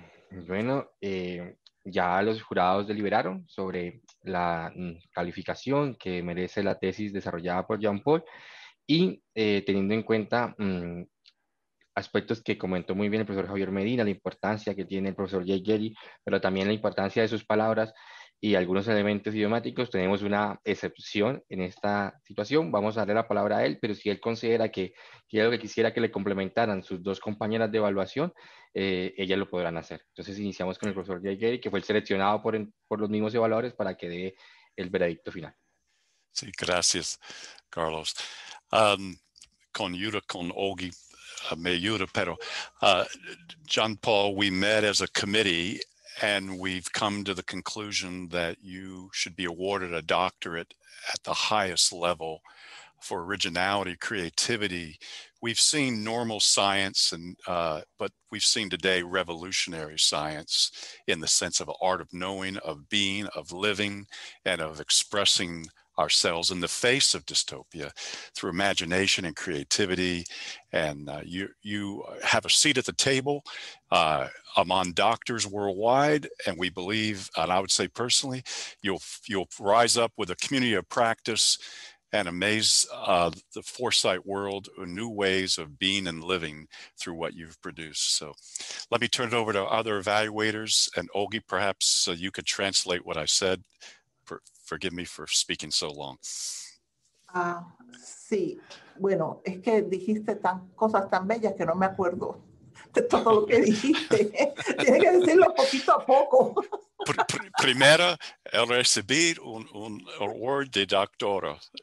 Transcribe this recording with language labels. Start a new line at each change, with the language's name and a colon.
Spanish: Bueno, ya los jurados deliberaron sobre la calificación que merece la tesis desarrollada por Jean-Paul y teniendo en cuenta aspectos que comentó muy bien el profesor Javier Medina, la importancia que tiene el profesor Jay Gelly, pero también la importancia de sus palabras y algunos elementos idiomáticos, tenemos una excepción en esta situación. Vamos a darle la palabra a él, pero si él considera que es lo que quisiera que le complementaran sus dos compañeras de evaluación, ellas lo podrán hacer. Entonces iniciamos con el profesor Jay Gelly, que fue seleccionado por los mismos evaluadores para que dé el veredicto final. Sí, gracias, Carlos. Con Yura, con Ogi, me ayuda, pero Jean-Paul,
English: we met as a committee and we've come to the conclusion that you should be awarded a doctorate at the highest level for originality, creativity. We've seen normal science, and but we've seen today revolutionary science in the sense of an art of knowing, of being, of living, and of expressing ourselves in the face of dystopia through imagination and creativity. And you have a seat at the table among doctors worldwide, and we believe, and I would say personally, you'll rise up with a community of practice and amaze the foresight world with new ways of being and living through what you've produced. So let me turn it over to other evaluators, and Ogi, perhaps you could translate what I said. Forgive me for speaking so long.
Spanish: Sí, bueno, es que dijiste cosas tan bellas que no me acuerdo de todo lo que dijiste. Tienes que decirlo poquito a poco. Primero, el recibir un award de doctora.